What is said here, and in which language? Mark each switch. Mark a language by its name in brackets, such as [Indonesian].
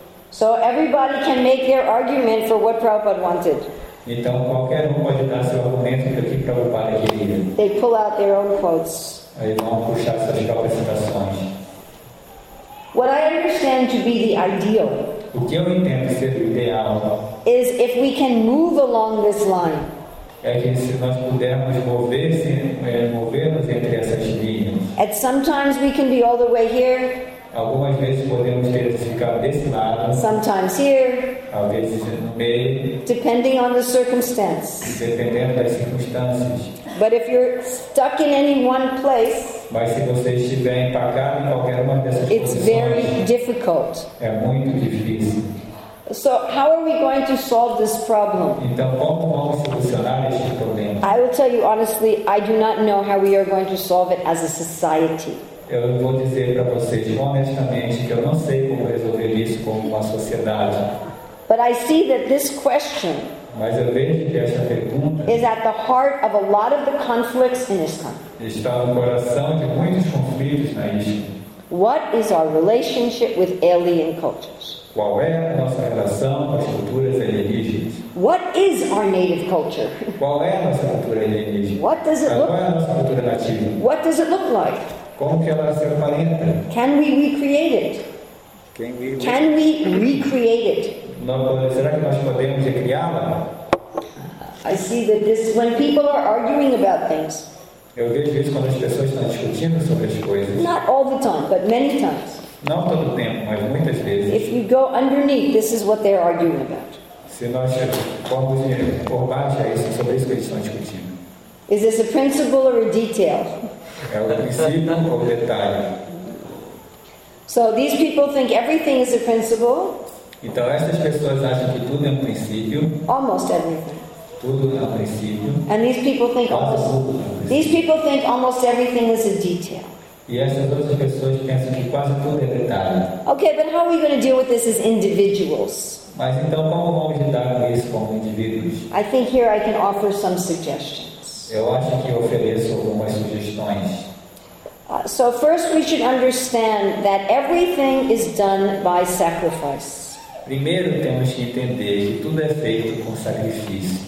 [English] So everybody can make their argument for what Prabhupada wanted. [Portuguese] Então qualquer pode dar seu argumento para o que Prabhupada queria. [English] They pull out their own quotes. [Portuguese] Aí vão puxar suas próprias citações. [English] What I understand to be the ideal. [Portuguese] O que eu entendo ser o ideal. [English] Is if we can move along this line. [Portuguese] É que se nós pudermos movermos entre essas linhas. [English] At sometimes we can be all the way here. [Portuguese] Algumas vezes podemos ter que ficar desse lado. [English] Sometimes here. [Portuguese] Às vezes no meio. [English] Depending on the circumstance. [Portuguese] Dependendo das circunstâncias. [English] But if you're stuck in any one place. [Portuguese] Mas se você estiver empacado em qualquer uma dessas posições. [English] It's very difficult. [Portuguese] É muito difícil. [English] So how are we going to solve this problem? [Portuguese] Então como vamos solucionar este problema? [English] I will tell you honestly, I do not know how we are going to solve it as a society. [Portuguese] Eu vou dizer para vocês honestamente que eu não sei como resolver isso como uma sociedade. [English] But I see that this question. [Portuguese] Mas eu vejo que essa pergunta. [English] Is at the heart of a lot of the conflicts in this country. [Portuguese] Está no coração de muitos conflitos na Índia. [English] What is our relationship with alien cultures? [Portuguese] Qual é a nossa relação com as culturas alienígenas? [English] What is our native culture? [Portuguese] Qual é a nossa cultura alienígena? [English] What does it look? [Portuguese] Qual é a nossa cultura nativa? [English] What does it look like? [Portuguese] Como que ela se aparenta? [English] Can we recreate it? Can we recreate it? [Portuguese] Será que nós podemos recriá-la? [English] I see that this is when people are arguing about things. [Portuguese] Eu vejo isso quando as pessoas estão discutindo sobre as coisas. [English] Not all the time, but many times. [Portuguese] Não todo o tempo, mas muitas vezes. [English] If you go underneath, this is what they're arguing about. [Portuguese] Se nós formos por baixo, é isso, sobre isso que eles estão discutindo. [English] Is this a principle or a detail? [Portuguese] É o princípio ou o detalhe? [English] So these people think everything is a principle. [Portuguese] Então essas pessoas acham que tudo é um princípio. [English] Almost everything. [Portuguese] Tudo é um princípio. [English] And these people think almost. These people think almost everything is a detail. [Portuguese] E essas outras pessoas pensam que quase tudo é detalhe. [English] Okay, but how are we going to deal with this as individuals? [Portuguese] Mas então como vamos lidar com isso como indivíduos? [English] I think here I can offer some suggestions. [Portuguese] Eu acho que ofereço algumas sugestões. [English] So first we should understand that everything is done by sacrifice. [Portuguese] Primeiro temos que entender que tudo é feito com sacrifício.